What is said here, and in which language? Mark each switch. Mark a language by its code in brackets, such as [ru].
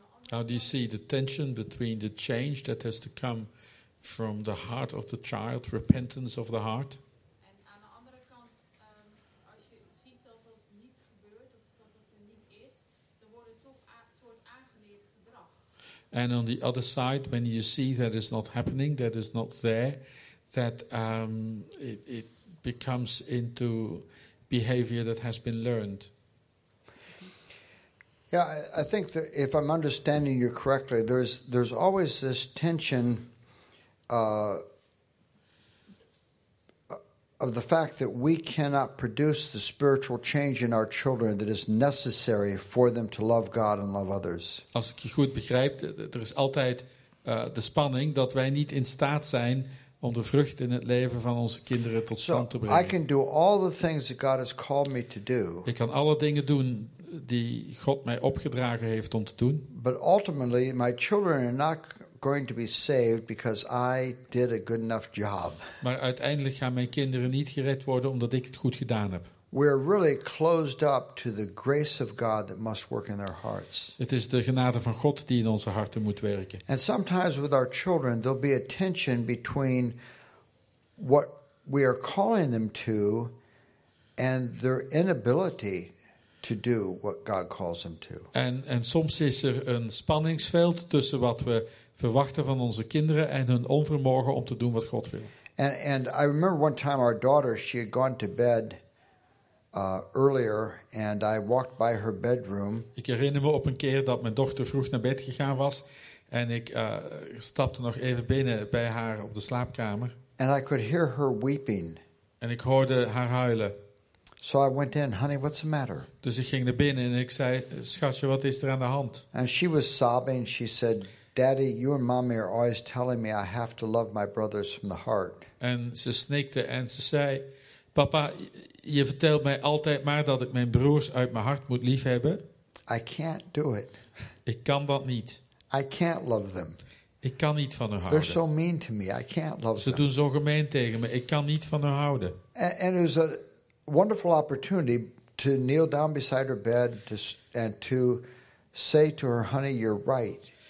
[en] How do you see the tension between the change that has to come from the heart of the child, repentance of the heart? [nl] En aan de andere kant, als je ziet dat dat niet gebeurt of dat dat er niet is, dan wordt het toch een soort aangeleerd gedrag. [en] And on the other side, when you see that is not happening, that is not there, that it becomes into behavior that has been learned. Yeah, I think that if I'm understanding you correctly, there's always this tension of the fact that we cannot produce the spiritual change in our children that is necessary for them to love God and love others. [nl] Als ik je goed begrijp, er is altijd de spanning dat wij niet in staat zijn om de vrucht in het leven van onze kinderen tot stand te brengen. [en] I can do all the things that God has called me to do. [nl] Ik kan alle dingen doen die God mij opgedragen heeft om te doen. [en] But ultimately my children are not going to be saved because I did a good enough job. [nl] Maar uiteindelijk gaan mijn kinderen niet gered worden omdat ik het goed gedaan heb. [en] We're really closed up to the grace of God that must work in their hearts. [nl] Het is de genade van God die in onze harten moet werken. [en] And sometimes with our children there'll be a tension between what we are calling them to and their inability to do what God calls them to. [nl] En soms is er een spanningsveld tussen wat we verwachten van onze kinderen en hun onvermogen om te doen wat God wil. [en] And I remember one time our daughter, she had gone to bed earlier and I walked by her bedroom. [nl] Ik herinner me op een keer dat mijn dochter vroeg naar bed gegaan was en ik stapte nog even binnen bij haar op de slaapkamer. [en] And I could hear her weeping. [nl] En ik hoorde haar huilen. [en] So I went in, honey, what's the matter? [nl] Dus ik ging naar binnen en ik zei, schatje, wat is er aan de hand? [en] And she was sobbing. She said, Daddy, you and mommy are always telling me I have to love my brothers from the heart. [nl] En ze snikte en ze zei, papa, je vertelt mij altijd maar dat ik mijn broers uit mijn hart moet liefhebben. [en] I can't do it. [nl] Ik kan dat niet. [en] I can't love them. [nl] Ik kan niet van hun houden. [en] They're so mean to me. I can't love them. [nl] Ze doen zo gemeen tegen me. Ik kan niet van hun houden. [en] And it was a wonderful opportunity to kneel down beside her bed and to say to her, honey, you're right.